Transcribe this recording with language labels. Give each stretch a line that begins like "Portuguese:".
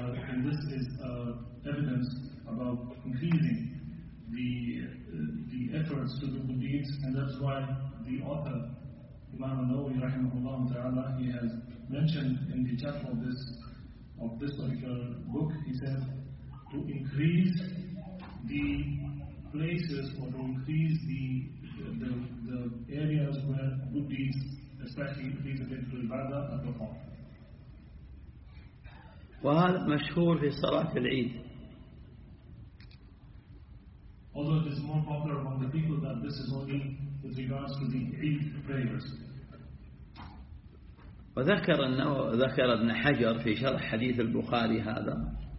English: And this is evidence about increasing the efforts to do good deeds, and that's why the author Imam An-Nawawi rahimahullah ta'ala, he has mentioned in the chapter of this particular book, he says to increase the places or to increase the areas where good deeds, especially increase the ibadah, are performed.
Arabic: وهذا مشهور في صلاة العيد.
English: Although it is more popular among the people that this is only with regards to the Eid prayers.
Arabic: وذكر ذكر ابن حجر في شرح حديث البخاري هذا.